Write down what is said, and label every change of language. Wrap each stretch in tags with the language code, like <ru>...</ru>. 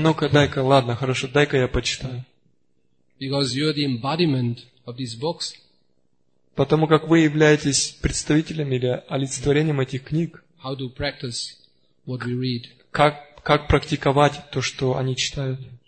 <ru>Ну-ка, дай-ка, ладно, хорошо, дай-ка я почитаю.</ru> <en>Because you are the embodiment of these books.</en> <ru>Потому как вы являетесь представителем или олицетворением этих книг.</ru> <en>How to practice what we read.</en> <ru>Как практиковать то, что они читают?</ru>